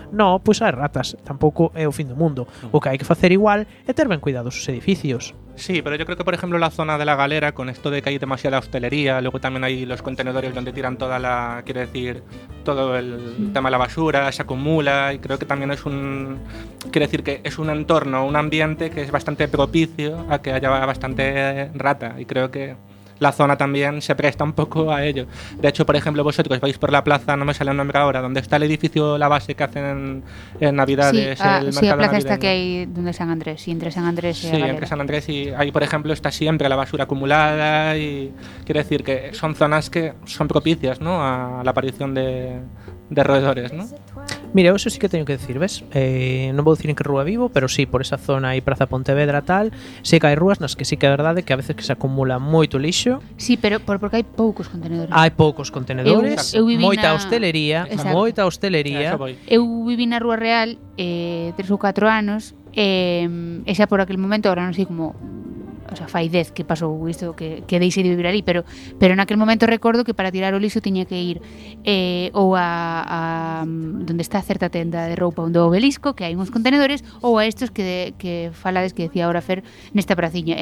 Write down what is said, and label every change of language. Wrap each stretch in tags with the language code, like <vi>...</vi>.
<gl>Non, pois hai ratas, tampouco é o fin do mundo. O que hai que facer igual é ter ben cuidado os edificios.</gl> <es>Sí, pero yo creo que, por ejemplo, la zona de la galera, con esto de que hay demasiada hostelería, luego también hay los contenedores donde tiran toda la, quiero decir, todo el tema de la basura, se acumula, y creo que también es un, quiero decir, que es un entorno, un ambiente que es bastante propicio a que haya bastante rata, y creo que la zona también se presta un poco a ello. De hecho, por ejemplo, vosotros vais por la plaza, no me sale el nombre ahora, donde está el edificio, la base que hacen en Navidades, sí, el mercado navideño. Sí, la plaza está que hay donde San Andrés, y entre San Andrés y sí, entre San Andrés y ahí, por ejemplo, está siempre la basura acumulada y quiere decir que son zonas que son propicias, ¿no?, a la aparición de roedores, ¿no?</es> <gl>Mira, eso sí que teño que decir, ves? Non vou dicir en que rúa vivo, pero sí, por esa zona aí, Praza Pontevedra, tal, sí que hai rúas nas que sí que é verdade que a veces que se acumula moito lixo. Sí, pero porque hai poucos contenedores. Hai poucos contenedores, moita hostelería, exacto, moita hostelería. Eu viví na Rúa Real 3 ou 4 anos, e xa por aquel momento, agora non sei como... O sea, fai 10 que pasou isto, que deixei de vivir ali, pero naquel momento recordo que para tirar o lixo tiña que ir ou a donde está certa tenda de roupa onde o obelisco, que hai uns contenedores, ou a estos que falades, que</gl> <es>decía ahora</es> <gl>Fer, nesta praciña.</gl>